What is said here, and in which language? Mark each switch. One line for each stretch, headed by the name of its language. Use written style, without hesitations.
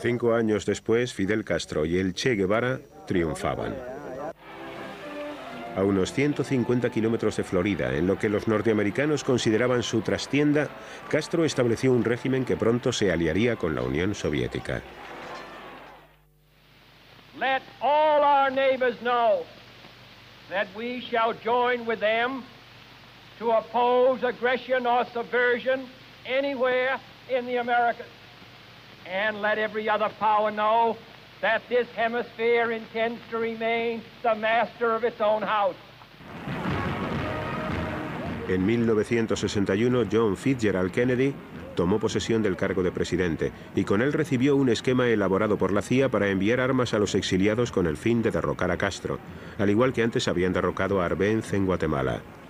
Spanish: Cinco años después, Fidel Castro y el Che Guevara triunfaban. A unos 150 kilómetros de Florida, en lo que los norteamericanos consideraban su trastienda, Castro estableció un régimen que pronto se aliaría con la Unión Soviética.
English: Let all our neighbors know that we shall join with them to oppose aggression or subversion anywhere in the Americas. and let every other power know that this hemisphere intends to remain the master of its own house.
Spanish: En 1961, John Fitzgerald Kennedy tomó posesión del cargo de presidente y con él recibió un esquema elaborado por la CIA para enviar armas a los exiliados con el fin de derrocar a Castro, al igual que antes habían derrocado a Arbenz en Guatemala.